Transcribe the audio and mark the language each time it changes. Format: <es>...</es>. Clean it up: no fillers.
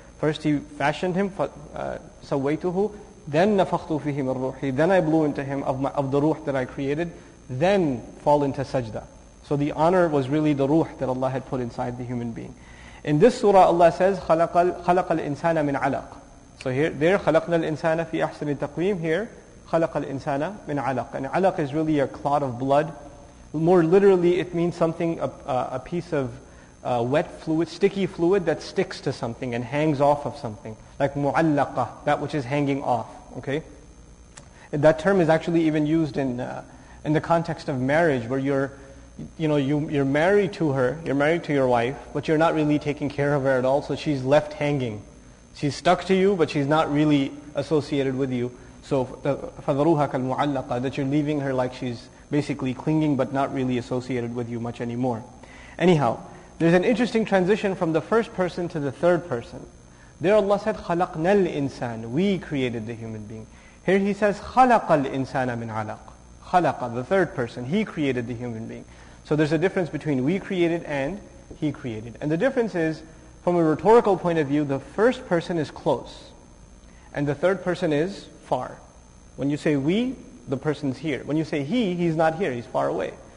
<en>First He fashioned him,</en> <ar>سَوَّيْتُهُ,</ar> <en>then</en> <ar>نَفَخْتُ فِيهِ مَنْ رُوحِي,</ar> <en>then I blew into him of the ruh that I created, then fall into sajda. So the honor was really the ruh that Allah had put inside the human being. In this surah Allah says,</en> <ar>خَلَقَ الْإِنسَانَ مِنْ عَلَقٍ.</ar> <en>So there,</en> <ar>خَلَقْنَا الْإِنسَانَ فِي أَحْسَنِ تَقْوِيمٍ.</ar> <en>Here,</en> <ar>خَلَقَ الْإِنسَانَ مِنْ عَلَقٍ.</ar> <en>And alaq is really a clot of blood. More literally, it means something, a piece of wet fluid, sticky fluid that sticks to something and hangs off of something, like mu'allaqa, that which is hanging off. Okay, and that term is actually even used in the context of marriage, where you're married to her, you're married to your wife, but you're not really taking care of her at all, so she's left hanging. She's stuck to you, but she's not really associated with you. So</en> <ar>فَذَرُوهَا كَالْمُعَلَّقَ,</ar> <en>that you're leaving her like she's basically clinging but not really associated with you much anymore. Anyhow, there's an interesting transition from the first person to the third person. There Allah said,</en> <ar>خَلَقْنَا الْإِنسَانِ,</ar> <en>we created the human being. Here He says,</en> <ar>خَلَقَ الْإِنسَانَ مِنْ عَلَقٍ.</ar> <en>خَلَقَ, the third person, He created the human being. So there's a difference between we created and He created. And the difference is, from a rhetorical point of view, the first person is close and the third person is far. When you say we, the person's here. When you say he's not here, he's far away.</en>